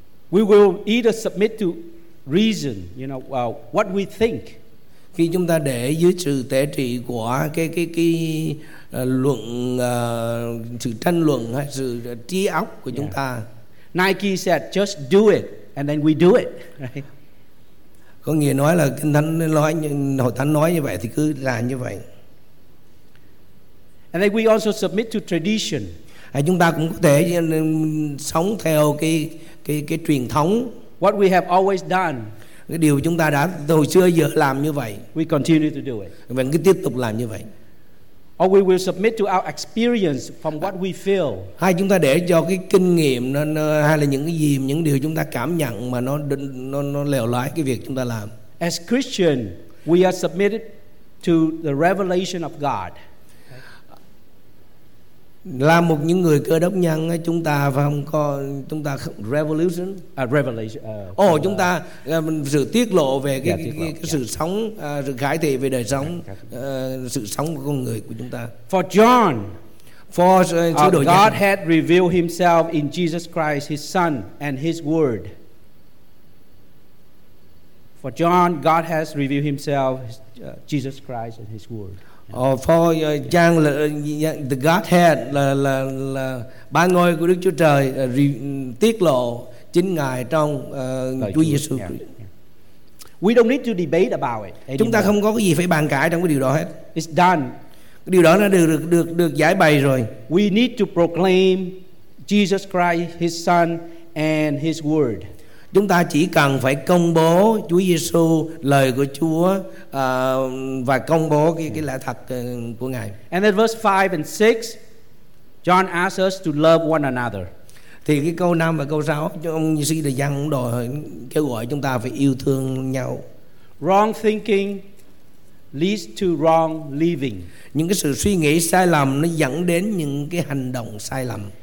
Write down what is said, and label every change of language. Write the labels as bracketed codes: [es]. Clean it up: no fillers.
[en] We will either submit to reason, you know, what we think. [vi] Khi chúng ta để dưới sự tể trị của cái luận sự tranh luận hay sự trí óc của chúng ta. [en] Nike said just do it and then we do it. [vi] Có nghĩa nói là Kinh Thánh nói, Hội Thánh nói như vậy thì cứ làm như vậy. [en] And then we also submit to tradition. [vi] Hay chúng ta cũng có thể sống theo cái truyền thống. [en] What we have always done. [vi] Cái điều chúng ta đã từ hồi xưa giờ làm như vậy. [en] We continue to do it. [vi] Vẫn cứ tiếp tục làm như vậy. [en] Or we will submit to our experience from what we feel. [vi] Hay chúng ta để cho cái kinh nghiệm nó hay là những cái gì những điều chúng ta cảm nhận mà nó lèo lái cái việc chúng ta làm. [en] As Christian, we are submitted to the revelation of God. [vi] Là một những người Cơ Đốc nhân chúng ta không có chúng ta không, revolution [en] a revelation [vi] chúng ta sự tiết lộ về sự sống sự khải thị về đời sống sự sống của con người của chúng ta. [en] For John, God had revealed himself in Jesus Christ his son and his word. For John, God has revealed himself Jesus Christ and his word. [vi] The Godhead là ba ngôi của Đức Chúa Trời tiết lộ chính Ngài trong Chúa Giêsu. [en] We don't need to debate about it. [vi] Chúng ta không có cái gì phải bàn cãi trong cái điều đó hết. [en] It's done. [vi] Cái điều đó nó được giải bày rồi. [en] We need to proclaim Jesus Christ, His Son, and His Word. [vi] Chúng ta chỉ cần phải công bố Chúa Giêsu, lời của Chúa và công bố cái lẽ thật của Ngài. [en] And then verse 5 and 6, John asks us to love one another. [vi] Thì cái câu 5 và câu 6, ông Giêsu đã dặn đòi kêu gọi chúng ta phải yêu thương nhau. [en] Wrong thinking leads to wrong living. [vi] Những cái sự suy nghĩ sai lầm nó dẫn đến những cái hành động sai lầm.